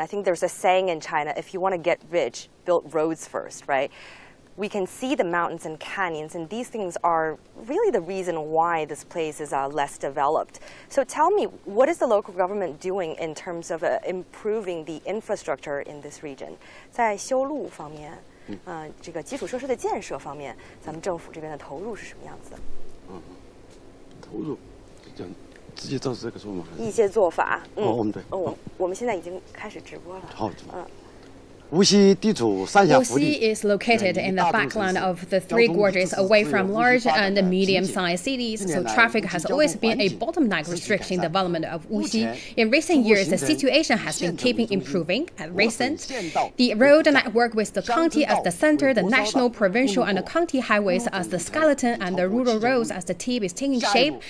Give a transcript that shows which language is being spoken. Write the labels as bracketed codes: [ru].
[en] I think there's a saying in China, if you want to get rich, build roads first, right? We can see the mountains and canyons, and these things are really the reason why this place is less developed. So tell me, what is the local government doing in terms of improving the infrastructure in this region? [zh] 在修路方面，这个基础设施的建设方面，咱们政府这边的投入是什么样子的？投入，直接照这个说吗？一些做法。对。我们现在已经开始直播了。好。Wuxi [en] is located in the backland of the Three Gorges, away from large and medium-sized cities, so traffic has always been a bottleneck restricting development of Wuxi. In recent years, the situation has been keeping improving. At recent, the road network with the county as the center, the national, provincial, and the county highways as the skeleton, and the rural roads as the tip is taking shape.